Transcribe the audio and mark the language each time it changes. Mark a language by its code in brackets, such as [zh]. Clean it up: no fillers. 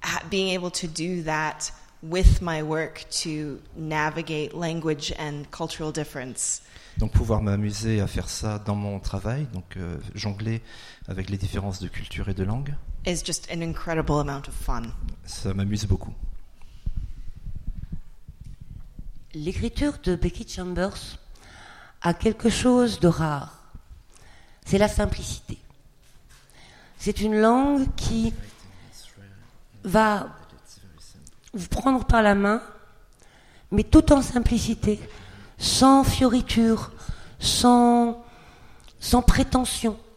[en] Being able to do that with my work to navigate language and cultural difference. [fr] Donc pouvoir m'amuser à faire ça dans mon travail, donc jongler avec les différences de culture et de langue. [en] Is just an incredible amount of fun. [fr] Ça m'amuse beaucoup. L'écriture de Becky Chambers a quelque chose de rare. C'est la simplicité. C'est une langue qui va vous prendre par la main, mais tout en simplicité, sans fioriture, sans prétention.